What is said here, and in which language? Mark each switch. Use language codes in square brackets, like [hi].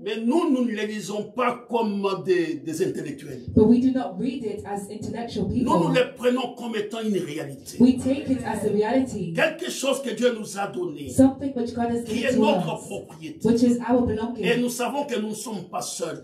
[fr] Mais nous, nous ne les lisons pas comme des intellectuels. [en] But we do not read it as intellectual people. [fr] Nous, nous les prenons comme étant une réalité. [en] We take it as a reality. [fr] Quelque chose que Dieu nous a donné. [en] Something which God has given to us. Which is our belonging. [fr] Et nous savons que nous ne sommes pas seuls.